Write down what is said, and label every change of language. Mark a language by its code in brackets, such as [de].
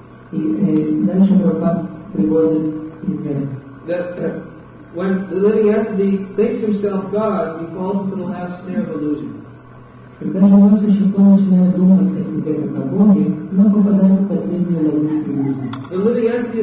[ru] И дальше Прабхупада приводит пример. [en] When the living entity thinks himself God, he falls into the last snare of illusion. [ru] Когда живое существо начинает думать о себе как о Боге, оно попадает в последнюю ловушку